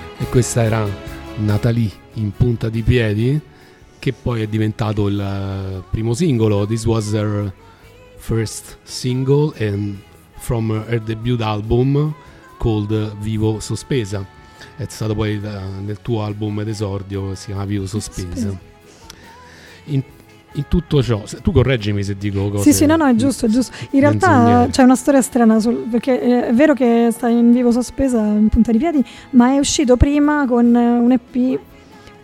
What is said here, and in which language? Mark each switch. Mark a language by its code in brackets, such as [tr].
[it] Questa era Natalie in Punta di Piedi, che poi è diventato il primo singolo. [en] This was her first single and from her debut album called Vivo Sospesa. [it] È stato poi nel tuo album d'esordio, si chiama Vivo Sospesa. In tutto ciò, tu correggimi se dico cose... Sì, sì, no, è giusto, è giusto. In realtà c'è una storia strana, perché è vero che sta in Vivo Sospesa, in Punta di Piedi, ma è uscito prima con un EP